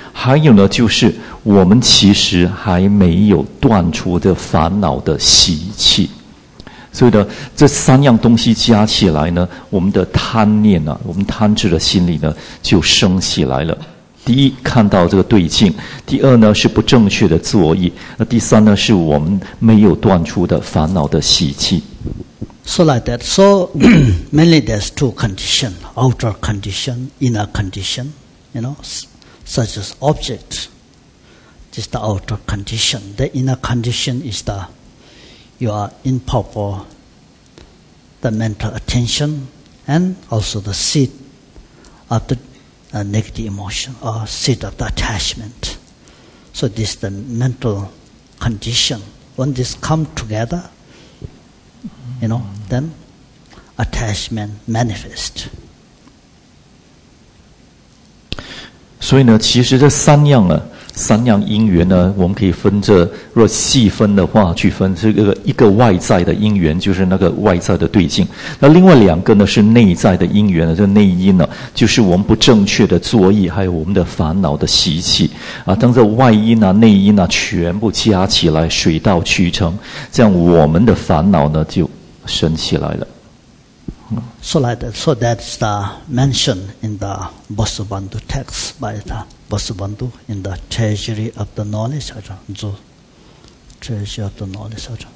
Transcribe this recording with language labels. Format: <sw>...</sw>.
<zh>还有呢，就是我们其实还没有断除这烦恼的习气，所以呢，这三样东西加起来呢，我们的贪念啊，我们贪执的心理呢，就升起来了。第一，看到这个对境；第二呢，是不正确的作意；那第三呢，是我们没有断除的烦恼的习气。</zh> <en>So like that. So mainly there's two conditions, outer condition, inner condition, you know, such as object, just the outer condition. The inner condition is the your improper, the mental attention, and also the seat of the negative emotion, or seat of the attachment. So this the mental condition. When this come together,You know, then attachment manifest.</en> <zh>所以呢，其实这三样啊，三样因缘呢，我们可以分这，若细分的话去分，是一个外在的因缘，就是那个外在的对境。那另外两个呢，是内在的因缘呢，这内因呢，就是我们不正确的作意，还有我们的烦恼的习气啊。当这外因啊、内因啊全部加起来，水到渠成，这样我们的烦恼呢就。升起来了。</zh> <en>So like that. So that's the mention in the Bosubandhu text by the Bosubandhu in the Treasury of the Knowledge. Treasury of the Knowledge.</en>